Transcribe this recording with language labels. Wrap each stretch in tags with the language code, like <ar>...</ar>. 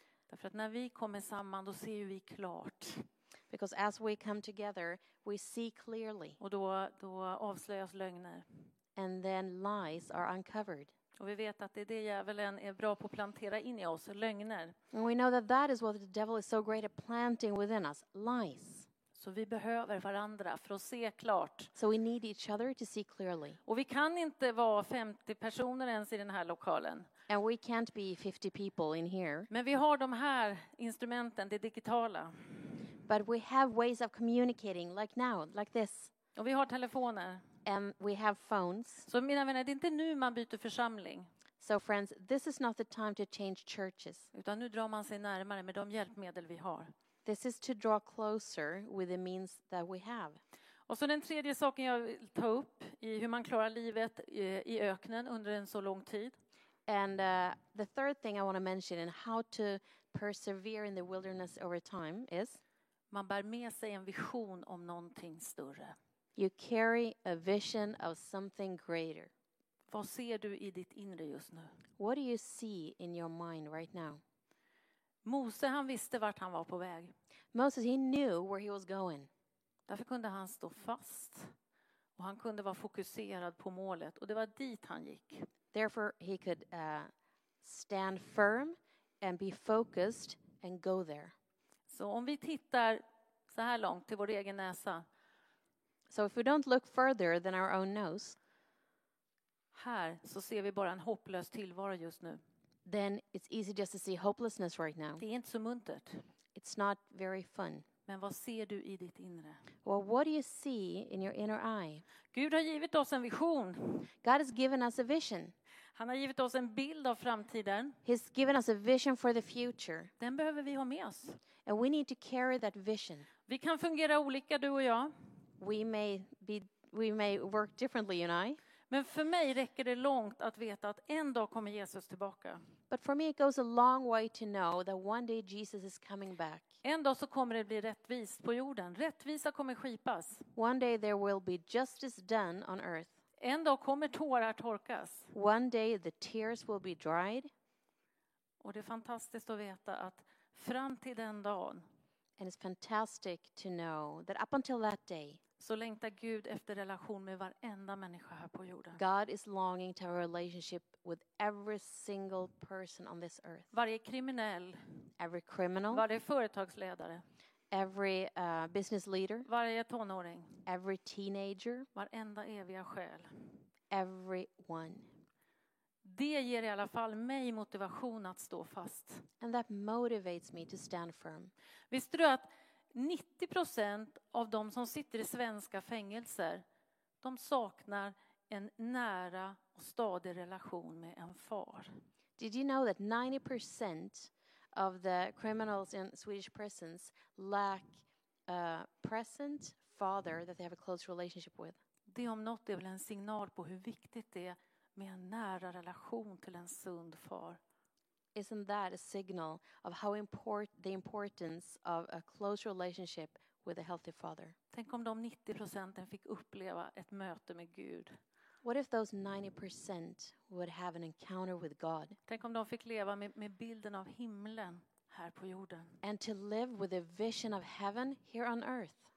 <sv>Därför att när vi kommer samman då ser vi klart.</sv> <en>Because as we come together we see clearly.</en> <sv>Och då avslöjas lögner.</sv> <en>And then lies are uncovered.</en> <sv>Och vi vet att det är det djävulen är bra på att plantera in i oss, lögner.</sv> <en>And we know that that is what the devil is so great at planting within us, lies.</en> <sv>Så vi behöver varandra för att se klart.</sv> <en>So we need each other to see clearly.</en> <sv>Och vi kan inte vara 50 personer ens i den här lokalen.</sv> <en>And we can't be 50 people in here.</en> <sv>Men vi har de här instrumenten, det digitala.</sv> <en>But we have ways of communicating like now, like this.</en> <sv>Och vi har telefoner.</sv> <en>And we have phones.</en> <sv>Så mina vänner, det är inte nu man byter församling.</sv> <en>So friends, this is not the time to change churches.</en> <sv>Utan nu drar man sig närmare med de hjälpmedel vi har.</sv> <en>This is to draw closer with the means that we have.</en> <sv>Och så den tredje saken jag vill ta upp i hur man klarar livet i öknen under en så lång tid.</sv> <en>And the third thing I want to mention in how to persevere in the wilderness over time is</en> <sv>man bär med sig en vision om någonting större.</sv> <en>You carry a vision of something greater.</en> <sv>Vad ser du i ditt inre just nu?</sv> <en>What do you see in your mind right now?</en> <sv>Mose, han visste vart han var på väg.</sv> <en>Moses, he knew where he was going.</en> <sv>Därför kunde han stå fast och han kunde vara fokuserad på målet och det var dit han gick.</sv> <en>Therefore he could stand firm and be focused and go there.</en> <sv>Så om vi tittar så här långt till vår egen näsa.</sv> <en>So if we don't look further than our own nose.</en> <sv>Här så ser vi bara en hopplös tillvaro just nu.</sv> <en>Then it's easy just to see hopelessness right now.</en> <sv>Det är inte så muntert.</sv> <en>It's not very fun.</en> <sv>Men vad ser du i ditt inre?</sv> <en>Well, what do you see in your inner eye?</en> <sv>Gud har givit oss en vision.</sv> <en>God has given us a vision.</en> <sv>Han har givit oss en bild av framtiden.</sv> <en>He's given us a vision for the future.</en> <sv>Den behöver vi ha med oss.</sv> <en>And we need to carry that vision.</en> <sv>Vi kan fungera olika, du och jag.</sv> <en>We may work differently, you and I.</en> <sv>Men för mig räcker det långt att veta att en dag kommer Jesus tillbaka.</sv> <en>But for me it goes a long way to know that one day Jesus is coming back.</en> <sv>En dag så kommer det bli rättvist på jorden. Rättvisa kommer skipas.</sv> <en>One day there will be justice done on earth.</en> <sv>En dag kommer tårar torkas.</sv> <en>One day the tears will be dried.</en> <sv>Och det är fantastiskt att veta att fram till den dagen.</sv> <en>And it's fantastic to know that up until that day.</en> <sv>Så längtar Gud efter relation med varenda människa här på jorden.</sv> <en>God is longing to have a relationship with every single person on this earth.</en> <sv>Varje kriminell.</sv> <en>Every criminal.</en> <sv>Varje företagsledare.</sv> <en>Every business leader.</en> <sv>Varje tonåring.</sv> <en>Every teenager.</en> <sv>Varenda eviga själ.</sv> <en>Everyone.</en> <sv>Det ger i alla fall mig motivation att stå fast.</sv> <en>And that motivates me to stand firm.</en> <sv>Visste du att 90% av de som sitter i svenska fängelser, de saknar en nära och stadig relation med en far.</sv> <en>Did you know that 90% of the criminals in Swedish prisons lack a present father that they have a close relationship with?</en> <sv>Det om något är väl en signal på hur viktigt det är med en nära relation till en sund far.</sv> <en>Isn't that a signal of how important the importance of a close relationship with a healthy father?</en> <sv>Tänk om de 90% fick uppleva ett möte med Gud.</sv> <en>What if those 90% would have an encounter with God?</en> <sv>Tänk om de fick leva med bilden av himlen här på jorden.</sv> <en>And to live with a vision of heaven here on earth.</en>